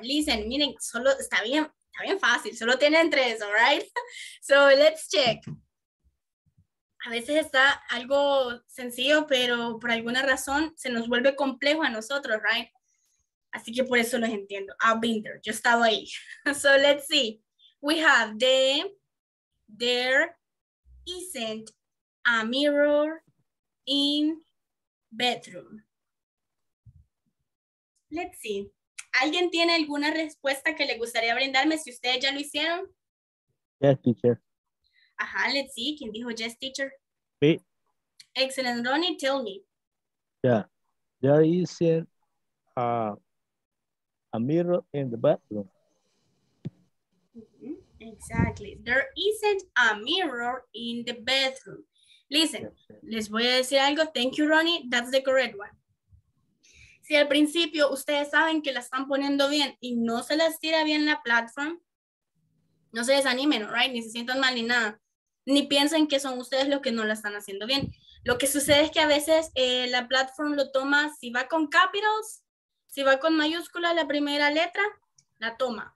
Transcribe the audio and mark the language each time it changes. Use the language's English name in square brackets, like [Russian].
[English] Listen, meaning, [Spanish] solo está bien fácil. Solo tienen tres, [English] all right? So let's check. [Spanish] A veces está algo sencillo, pero por alguna razón se nos vuelve complejo a nosotros, [English] right? [Spanish] Así que por eso los entiendo. [English] I've been there. [Spanish] Yo estaba ahí. [English] So let's see. We have them, there, isn't, a mirror, in, bedroom. Let's see. [Spanish] ¿Alguien tiene alguna respuesta que le gustaría brindarme si ustedes ya lo hicieron? [English] Yes, teacher. Ajá, let's see. [Spanish] ¿Quién dijo [English] yes, teacher? [Spanish] Sí. [English] Excellent, Ronnie, tell me. Yeah, there is a mirror in the bathroom. Mm-hmm. Exactly, there isn't a mirror in the bathroom. [Spanish] Listen, les voy a decir algo, [English] thank you, Ronnie, that's the correct one. [Spanish] Si al principio ustedes saben que la están poniendo bien y no se les tira bien la platform, no se desanimen, [English] right? [Spanish] Ni se sientan mal ni nada. Ni piensen que son ustedes los que no la están haciendo bien. Lo que sucede es que a veces la platform lo toma, si va con capitals, si va con mayúscula la primera letra, la toma.